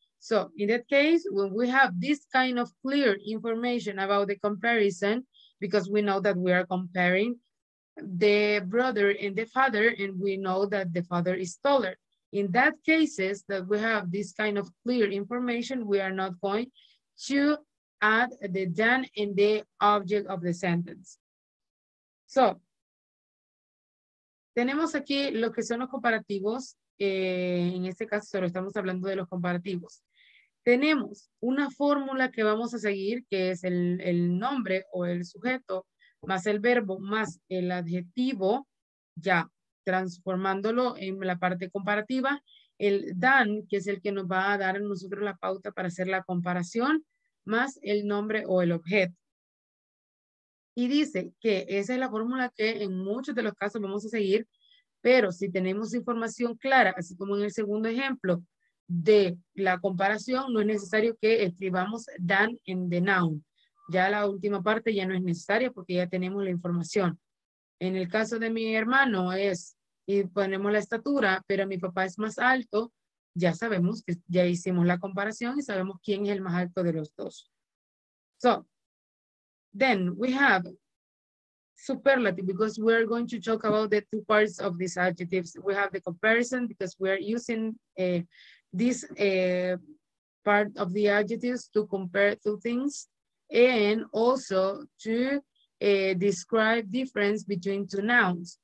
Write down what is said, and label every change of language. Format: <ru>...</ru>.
<en>So in that case, when we have this kind of clear information about the comparison, because we know that we are comparing the brother and the father, and we know that the father is taller. In that cases that we have this kind of clear information, we are not going to add the than in the object of the sentence.</en> <es>So, tenemos aquí lo que son los comparativos. En este caso, solo estamos hablando de los comparativos. Tenemos una fórmula que vamos a seguir, que es el nombre o el sujeto, más el verbo, más el adjetivo, ya transformándolo en la parte comparativa, el than, que es el que nos va a dar a nosotros la pauta para hacer la comparación, más el nombre o el objeto. Y dice que esa es la fórmula que en muchos de los casos vamos a seguir, pero si tenemos información clara, así como en el segundo ejemplo de la comparación, no es necesario que escribamos than en the noun. Ya la última parte ya no es necesaria porque ya tenemos la información. En el caso de mi hermano es, y ponemos la estatura, pero mi papá es más alto, ya sabemos que ya hicimos la comparación y sabemos quién es el más alto de los dos.</es> <en>So, then we have superlative because we are going to talk about the two parts of these adjectives. We have the comparison because we are using this part of the adjectives to compare two things and also to describe difference between two nouns.</en>